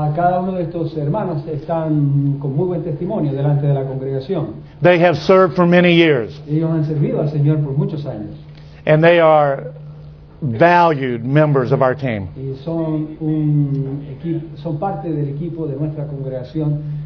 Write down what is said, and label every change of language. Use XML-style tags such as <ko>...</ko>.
<es>Cada uno de estos hermanos están con muy buen testimonio delante de la congregación.</es> <en>They have served for many years.</en> <es>Ellos han servido al Señor por muchos años.</es> <en>And they are valued members of our team.</en> <es>Y son un equipo, son parte del equipo de nuestra congregación.</es>